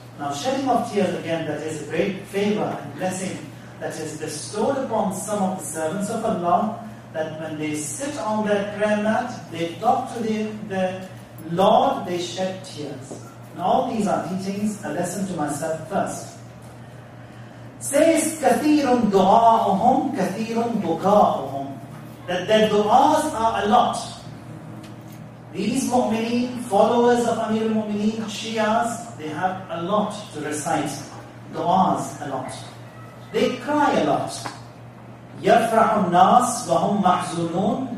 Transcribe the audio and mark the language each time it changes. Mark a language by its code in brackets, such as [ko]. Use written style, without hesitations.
[en] Now shedding of tears, again, that is a great favor and blessing that is bestowed upon some of the servants of Allah, that when they sit on their prayer mat, they talk to the Lord, they shed tears. And all these are teachings, a lesson to myself first. Says, [ar] كَثِيرٌ دُعَاءُهُمْ كَثِيرٌ بُكَاءُهُمْ. [en] That their du'as are a lot. These mu'mineen, followers of Amir al-Mu'mineen, Shias, they have a lot to recite. Du'as a lot. They cry a lot. [ar] يَفْرَحُ النَّاسِ وَهُمْ مَحْزُونُونَ.